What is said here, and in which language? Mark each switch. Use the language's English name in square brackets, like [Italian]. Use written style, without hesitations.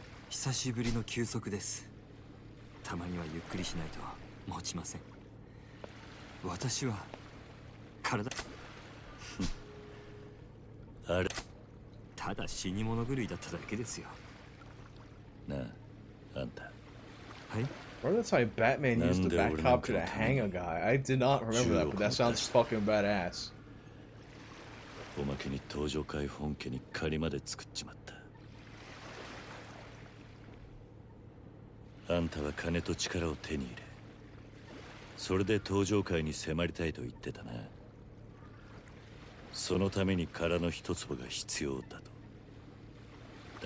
[Japanese] 久しぶりの休息です。たまにはゆっくりしないと持ちません。私は体あれ、ただ死に物狂いだっただけですよ。なあ、あんた。はい。 [English] Or that's why Batman used the bat cop to hang a guy. I did not remember that, but that sounds fucking badass. [Japanese] おまけに登場会本家に借りまで作っちまった。あんたは金と力を手に入れ、それで登場会に迫りたいと言ってたな。そのために殻の一粒が必要だと。